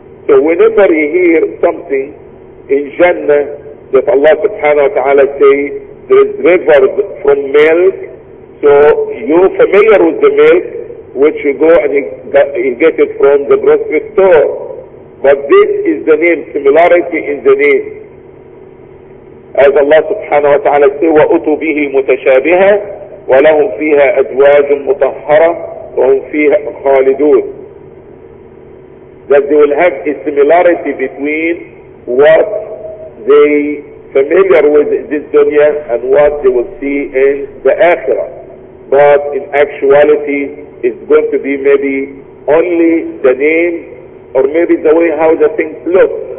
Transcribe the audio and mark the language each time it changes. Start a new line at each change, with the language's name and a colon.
English: So whenever you hear something in Jannah that Allah subhanahu wa ta'ala say there is rivers from milk, so you're familiar with the milk which you go and you get it from the grocery store. But this is the name, similarity in the name. As Allah subhanahu wa ta'ala say,
Arabic: وَأُتُوا بِهِ مُتَشَابِهَا وَلَهُمْ فِيهَا أَزْوَاجٌ مُطَهَّرَةٌ وَهُمْ فِيهَا خَالِدُونَ.
English: That they will have a similarity between what they familiar with in this dunya and what they will see in the akhirah. But in actuality, it's going to be maybe only the name or maybe the way how the things look.